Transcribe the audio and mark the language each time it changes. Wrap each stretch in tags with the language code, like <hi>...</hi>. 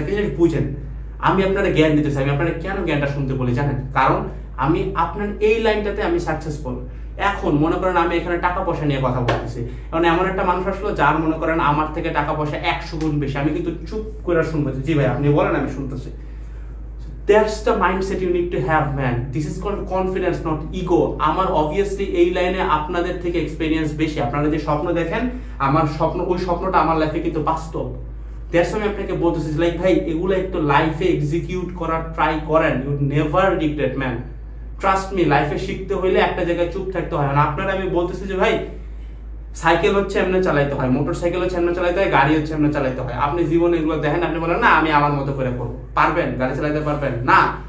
<bn>একটা জিনিস বুঝেন, আমি আপনারা জ্ঞান দিতে চাই, আমি আপনারা কেন জ্ঞানটা শুনতে বলি জানেন? কারণ আমি আপনার এই লাইনটাতে আমি সাকসেসফুল। এখন মনে করেন আমি এখানে টাকা পয়সা নিয়ে কথা বলতেছি, এখন এমন একটা মানুষ আসলো যার মনে করেন আমার থেকে টাকা পয়সা 100 গুণ বেশি, আমি কিন্তু চুপ করে শুনতেছি, জি ভাই আপনি বলেন আমি শুনতেছি।</bn> <en>That's the mindset you need to have, man. This is called confidence, not ego.</en> <bn>আমার obviously এই লাইনে আপনাদের থেকে এক্সপিরিয়েন্স বেশি, আপনারা যে স্বপ্ন দেখেন আমার স্বপ্ন, ওই স্বপ্নটা আমার লাইফে কিন্তু বাস্তব। দ্যাটস আমি আপনাকে বলতেছি লাইক ভাই, এগুলো একটু লাইফে এক্সিকিউট করার ট্রাই করেন,</bn> <en>You never regret man, trust me.</en> <bn>লাইফে শিখতে হইলে একটা জায়গায় চুপ থাকতে হয় না। আপনারা আমি বলতেছি যে ভাই সাইকেল হচ্ছে এমনি চালাইতে হয়, মোটর সাইকেল হচ্ছে এমনি চালাইতে হয়, গাড়ি হচ্ছে এমনি চালাইতে হয়, আপনি জীবনে এগুলো দেখেন, আপনি বলেন না আমি আমার মতো করে করবো, পারবেন গাড়ি চালাইতে? পারবেন না।</bn>